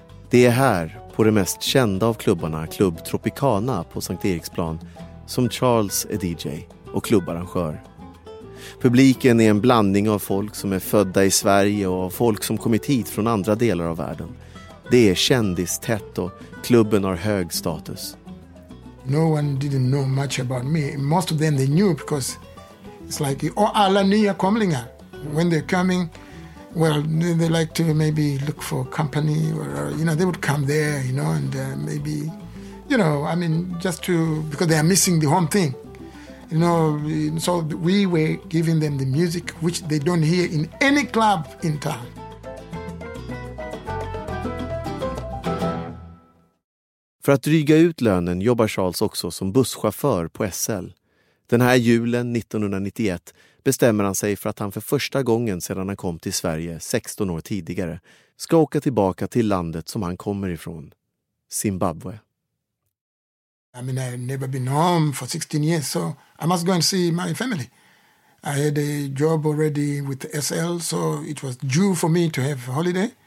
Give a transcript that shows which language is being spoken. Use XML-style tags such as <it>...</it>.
<sv>Det är här, på det mest kända av klubbarna, Club Tropicana på Sankt Eriksplan, som Charles är DJ och klubbarrangör. Publiken är en blandning av folk som är födda i Sverige och av folk som kommit hit från andra delar av världen. Det är kändistätt och klubben har hög status.</sv> <en>No one didn't know much about me. Most of them they knew because it's like</en> <sv>alla nya komlingar.</sv> <en>When they're coming, well, they like to maybe look for company or you know, they would come there, you know, and maybe, you know, I mean, just to, because they are missing the home thing. You know, so we were giving them the music which they don't hear in any club in town.</en> <sv>För att dryga ut lönen jobbar Charles också som busschaufför på SL. Den här julen 1991 bestämmer han sig för att han för första gången sedan han kom till Sverige 16 år tidigare ska åka tillbaka till landet som han kommer ifrån, Zimbabwe.</sv> <en>I mean, I've never been home for 16 years, so I must go and see my family. I had a job already with SL, so it was due for me to have a holiday.</en>